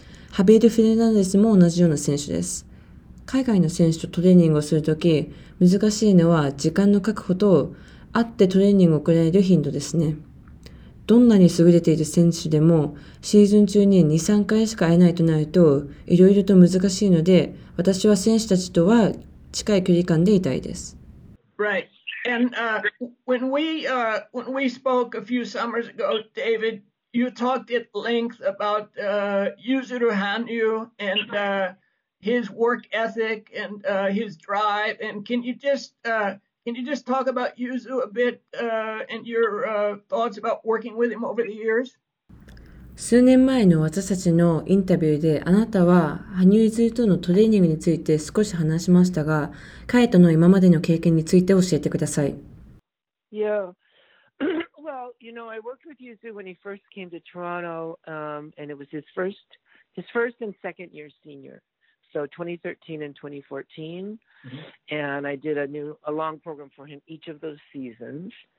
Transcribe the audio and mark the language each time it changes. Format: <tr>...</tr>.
<ja>ハビール・フェルナンデスも同じような選手です。海外の選手とトレーニングをするとき、難しいのは時間の確保と、会ってトレーニングを行える頻度ですね。どんなに優れている選手でも、シーズン中に2、3回しか会えないとなると、いろいろと難しいので、私は選手たちとは近い距離感でいたいです。</ja> <en>Right. And, when we spoke a few summers ago, David, you talked at length about, Yuzuru Hanyu and, his work ethic and his drive. And can you just talk about Yuzu a bit and your thoughts about working with him over the years?</en> <ja>数年前の私たちのインタビューで、あなたは羽生結弦とのトレーニングについて少し話しましたが、彼との今までの経験について教えてください。</ja> <en>Yeah. Well, you know, I worked with Yuzu when he first came to Toronto, and it was his first and second year senior. So 2013 and 2014, mm-hmm. and I did a long program for him each of those seasons.</en>